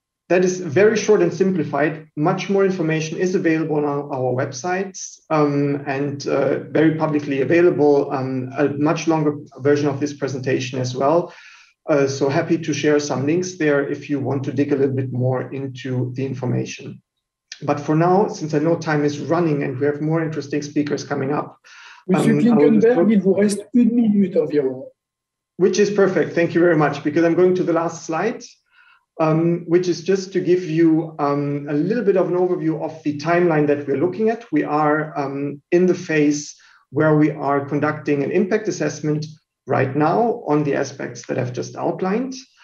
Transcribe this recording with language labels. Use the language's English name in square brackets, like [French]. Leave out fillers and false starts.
[English] That is very short and simplified. Much more information is available on our websites and very publicly available, a much longer version of this presentation as well. So happy to share some links there if you want to dig a little bit more into the information. But for now, since I know time is running and we have more interesting speakers coming up. [French] Monsieur KLINKENBERG, il vous reste une minute environ. [English] Which is perfect. Thank you very much. Because I'm going to the last slide, which is just to give you a little bit of an overview of the timeline that we're looking at. We are in the phase where we are conducting an impact assessment right now on the aspects that I've just outlined.